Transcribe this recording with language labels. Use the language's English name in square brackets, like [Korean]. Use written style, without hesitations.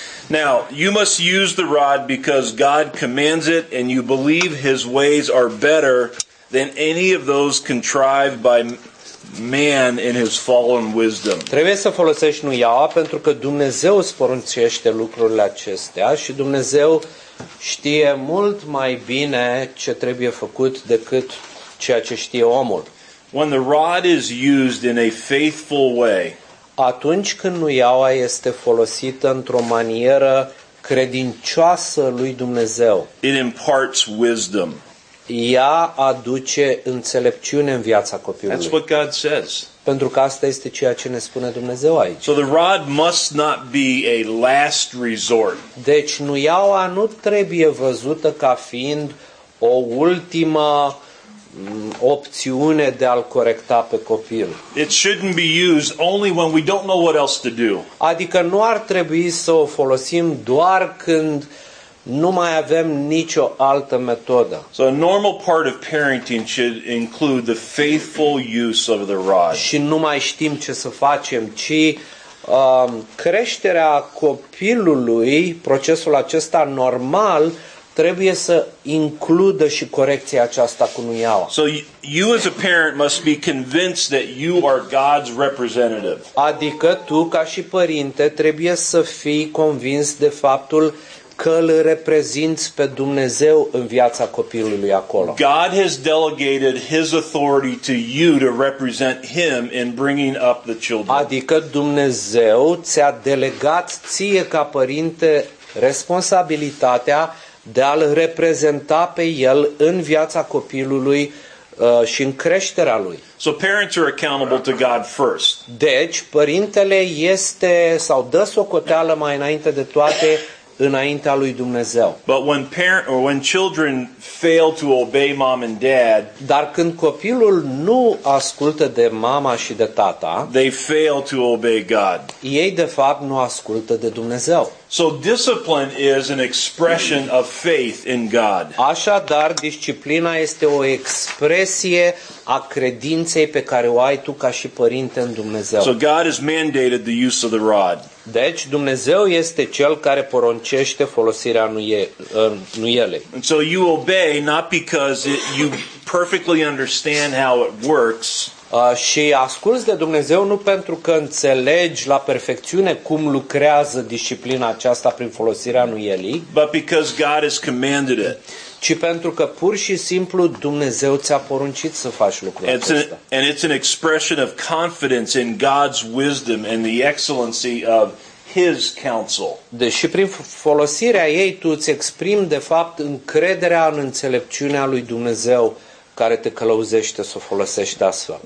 [English] Now, you must use the rod because God commands it and you believe His ways are better than any of those contrived by man in his fallen wisdom. [Romanian] Trebuie să folosești nuiaua pentru că Dumnezeu îți poruncește lucrurile acestea și Dumnezeu știe mult mai bine ce trebuie făcut decât ceea ce știe omul. [English] When the rod is used in a faithful way, [Romanian] atunci când nuiaua este folosită într-o manieră credincioasă lui Dumnezeu. [English] It imparts wisdom. [Romanian] Ea aduce înțelepciune în viața copilului. [English] That's what God says. [Romanian] Pentru că asta este ceea ce ne spune Dumnezeu aici. [English] So the rod must not be a last resort. [Romanian] Deci nuiaua nu trebuie văzută ca fiind o ultimă opțiune de a-l corecta pe copil. [English] It shouldn't be used only when we don't know what else to do. [Romanian] Adică nu ar trebui să o folosim doar când nu mai avem nicio altă metodă. [English] So a normal part of parenting should include the faithful use of the rod. [Romanian] Și nu mai știm ce să facem, ci creșterea copilului, procesul acesta normal trebuie să includă și corecția aceasta cu nuiaua. [English] So you as a parent must be convinced that you are God's representative. [Romanian] Adică tu ca și părinte trebuie să fii convins de faptul că îl reprezinți pe Dumnezeu în viața copilului acolo. [English] God has delegated his authority to you to represent him in bringing up the children. [Romanian] Adică Dumnezeu ți-a delegat ție ca părinte responsabilitatea de a-l reprezenta pe el în viața copilului și în creșterea lui. [English] So parents are accountable to God first. [Romanian] Deci părintele este sau dă socoteală mai înainte de toate înaintea lui Dumnezeu. [English] But when parent or when children fail to obey mom and dad, [Romanian] dar când copilul nu ascultă de mama și de tata, [English] they fail to obey God. [Romanian] Ei de fapt nu ascultă de Dumnezeu. [English] So discipline is an expression of faith in God. [Romanian] Așadar, disciplina este o expresie a credinței pe care o ai tu ca și părinte în Dumnezeu. [English] So God has mandated the use of the rod. [Romanian] Deci Dumnezeu este cel care poruncește folosirea nuielei. [English] And so you obey not because you perfectly understand how it works. [Romanian] Și asculți de Dumnezeu nu pentru că înțelegi la perfecțiune cum lucrează disciplina aceasta prin folosirea nuielii, [English] but because God has commanded it. [Romanian] Ci pentru că pur și simplu Dumnezeu ți-a poruncit să faci lucrul acesta. [English] And it's an expression of confidence in God's wisdom and the excellency of his counsel. [Romanian] Deși prin folosirea ei tu îți exprimi de fapt încrederea în înțelepciunea lui Dumnezeu care te călăuzește să o folosești astfel.